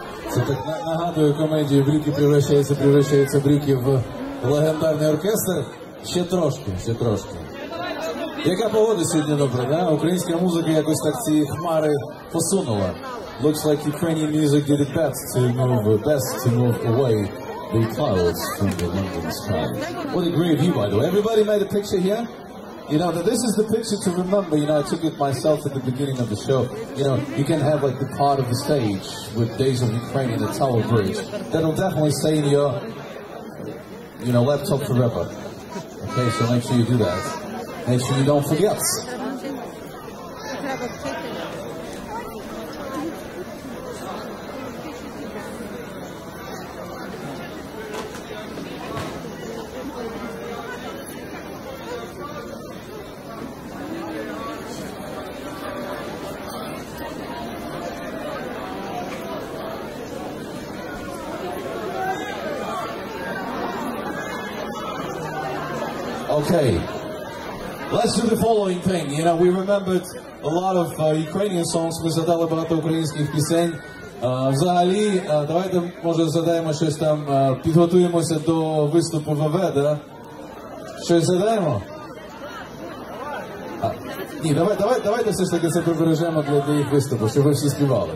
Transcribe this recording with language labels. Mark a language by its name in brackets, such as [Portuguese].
[Ukrainian] Це так нагадує комедію «Брюки превращаються брюки» в легендарний оркестр. Ще трошки. Яка погода сьогодні добра, да? Українська музика якось так ці хмари посунула. [English] Looks like Ukrainian music did it best to move away. The clouds from the London sky. What a great view, by the way. Everybody made a picture here? You know, this is the picture to remember. You know, I took it myself at the beginning of the show. You know, you can have like the part of the stage with Days of Ukraine and the Tower Bridge. That'll definitely stay in your, you know, laptop forever. Okay, so make sure you do that. Make sure you don't forget. Okay, let's do the following thing. You know, we remembered a lot of Ukrainian songs. [Ukrainian] Ми згадали багато українських пісень. Взагалі, давайте, може, задаємо щось там, підготуємося до виступу ВВ, да? Щось задаємо? Ні, давайте все ж таки це прибережемо для їх виступу, щоб ви всі співали.